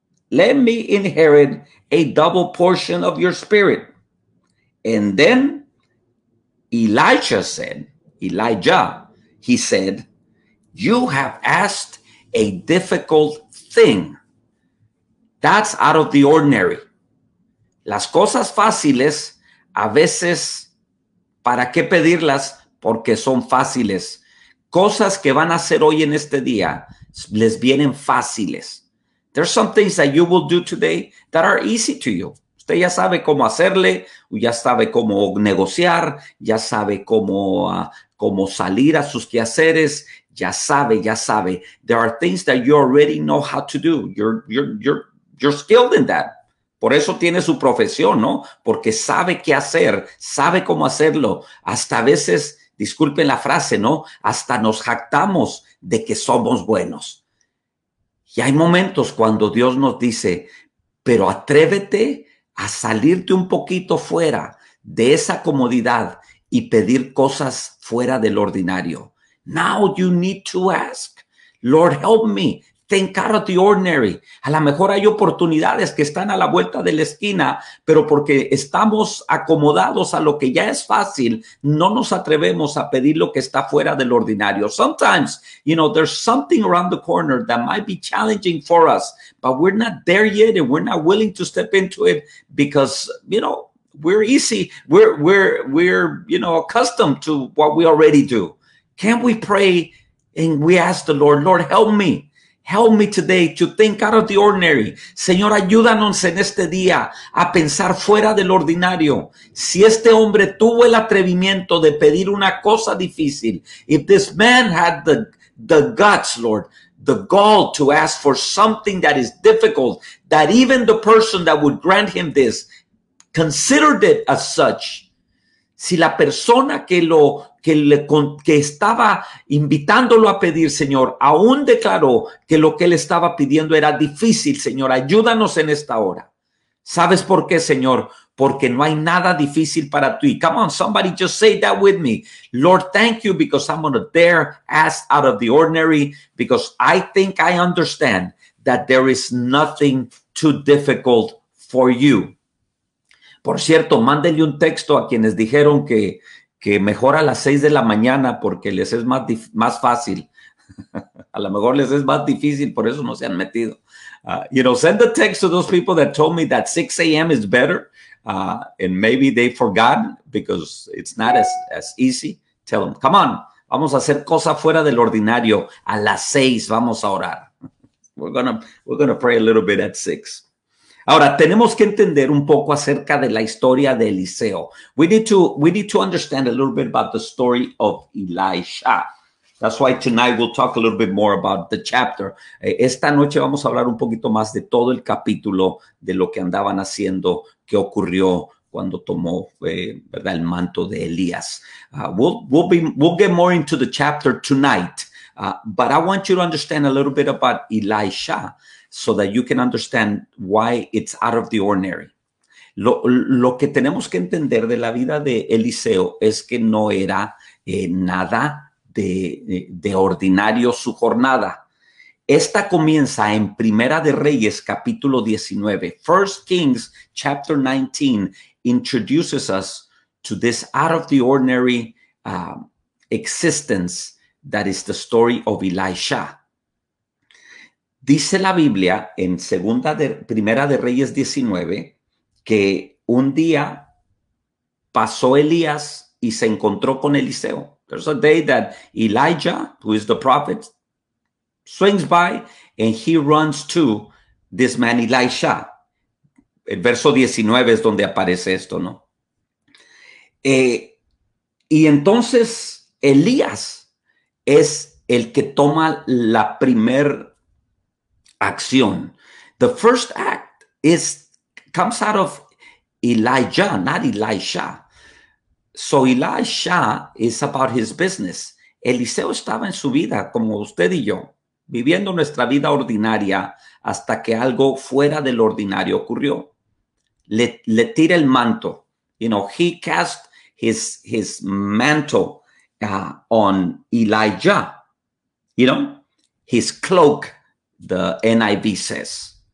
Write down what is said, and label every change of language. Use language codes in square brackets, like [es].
[en] Let me inherit a double portion of your spirit. And then Elijah said, you have asked a difficult thing. That's out of the ordinary. [es] Las cosas fáciles, a veces, ¿para qué pedirlas? Porque son fáciles. Cosas que van a hacer hoy en este día les vienen fáciles. [en] There's some things that you will do today that are easy to you. [es] Usted ya sabe cómo hacerle, ya sabe cómo negociar, ya sabe cómo salir a sus quehaceres, ya sabe. [en] There are things that you already know how to do. You're skilled in that. [es] Por eso tiene su profesión, ¿no? Porque sabe qué hacer, sabe cómo hacerlo. Hasta a veces, disculpen la frase, ¿no? Hasta nos jactamos de que somos buenos. Y hay momentos cuando Dios nos dice, pero atrévete a salirte un poquito fuera de esa comodidad y pedir cosas fuera del ordinario. [en] Now you need to ask, Lord, help me. Think out of the ordinary. [es] A lo mejor hay oportunidades que están a la vuelta de la esquina, pero porque estamos acomodados a lo que ya es fácil, no nos atrevemos a pedir lo que está fuera del ordinario. [en] Sometimes, you know, there's something around the corner that might be challenging for us, but we're not there yet and we're not willing to step into it because, you know, we're easy. We're you know, accustomed to what we already do. Can we pray and we ask the Lord, Lord, help me. Help me today to think out of the ordinary. [es] Señor, ayúdanos en este día a pensar fuera del ordinario. Si este hombre tuvo el atrevimiento de pedir una cosa difícil, [en] if this man had the guts, Lord, the gall to ask for something that is difficult, that even the person that would grant him this considered it as such. [es] Si la persona que estaba invitándolo a pedir, Señor, aún declaró que lo que él estaba pidiendo era difícil, Señor, ayúdanos en esta hora. ¿Sabes por qué, Señor? Porque no hay nada difícil para ti. [en] Come on, somebody, just say that with me. Lord, thank you because I'm going to dare ask out of the ordinary because I think I understand that there is nothing too difficult for you. [es] Por cierto, mándenle un texto a quienes dijeron que mejor a las 6 de la mañana porque les es más fácil. A lo mejor les es más difícil, por eso no se han metido. [en] You know, send a text to those people that told me that 6 a.m. is better and maybe they forgot because it's not as easy. Tell them, come on, [es] vamos a hacer cosa fuera del ordinario. A las 6 vamos a orar. [en] We're gonna pray a little bit at 6. [es] Ahora, tenemos que entender un poco acerca de la historia de Eliseo. [en] We need to understand a little bit about the story of Elisha. That's why tonight we'll talk a little bit more about the chapter. [es] Esta noche vamos a hablar un poquito más de todo el capítulo, de lo que andaban haciendo, qué ocurrió cuando tomó ¿verdad? El manto de Elías. [en] We'll get more into the chapter tonight. But I want you to understand a little bit about Elisha so that you can understand why it's out of the ordinary. [es] Lo que tenemos que entender de la vida de Eliseo es que no era nada de ordinario su jornada. Esta comienza en Primera de Reyes, capítulo 19. First Kings, chapter 19, introduces us to this out of the ordinary existence that is the story of Elisha. Dice la Biblia en Primera de Reyes 19 que un día pasó Elías y se encontró con Eliseo. [en] There's a day that Elijah, who is the prophet, swings by and he runs to this man Elisha. [es] El verso 19 es donde aparece esto, ¿no? Y entonces Elías es el que toma la primer acción. [en] The first act comes out of Elijah, not Elisha. So Elisha is about his business. [es] Eliseo estaba en su vida, como usted y yo, viviendo nuestra vida ordinaria hasta que algo fuera del ordinario ocurrió. Le tira el manto. [en] You know, he cast his mantle on Elijah. You know, his cloak, the NIV says.